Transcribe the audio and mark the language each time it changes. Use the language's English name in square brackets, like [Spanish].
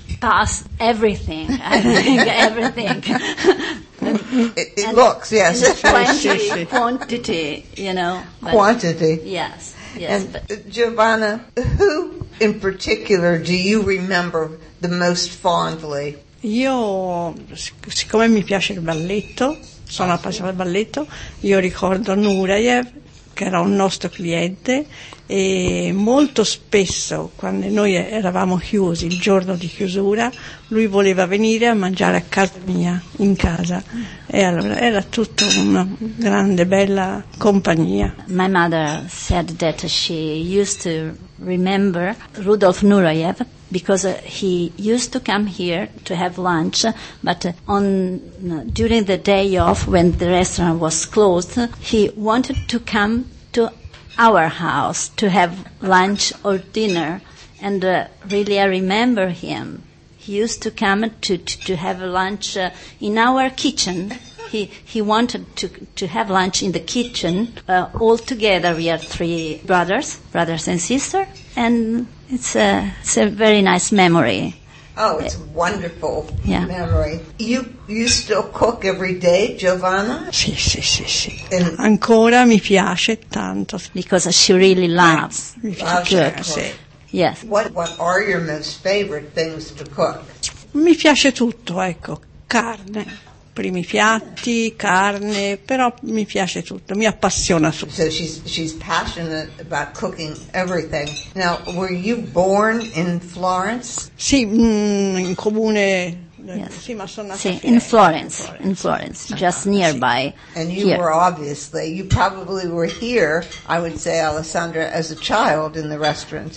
[English] Pasta, everything. I think everything. It looks, yes. Quantity, you know. Quantity. Yes. Yes, and Giovanna, who in particular do you remember the most fondly? [Italian] Io, siccome mi piace il balletto, sono appassionata al balletto, io ricordo Nureyev, che era un nostro cliente, e molto spesso quando noi eravamo chiusi il giorno di chiusura lui voleva venire a mangiare a casa mia, in casa, e allora era tutta una grande bella compagnia. [English] My mother said that she used to remember Rudolf Nureyev because he used to come here to have lunch, but on during the day off when the restaurant was closed he wanted to come to our house to have lunch or dinner, and really I remember him. He used to come to have lunch in our kitchen. He wanted to have lunch in the kitchen all together. We are three brothers and sister, and it's a very nice memory. Oh, it's a wonderful memory. You still cook every day, Giovanna? [Italian] Sì, sì, sì, sì. Ancora mi piace tanto. [English] Because she really loves cook. Yes. What are your most favorite things to cook? [Italian] Mi piace tutto, ecco. Carne, primi piatti, carne, però mi piace tutto, mi appassiona tutto. [English] So she's passionate about cooking everything. Now, were you born in Florence? [Italian] Sì, in comune. [English] Yes. [Italian] Sì, ma sono nata [English] sì, in Florence, just nearby. And you here. Were obviously, you probably were here, I would say, Alessandra, as a child in the restaurant.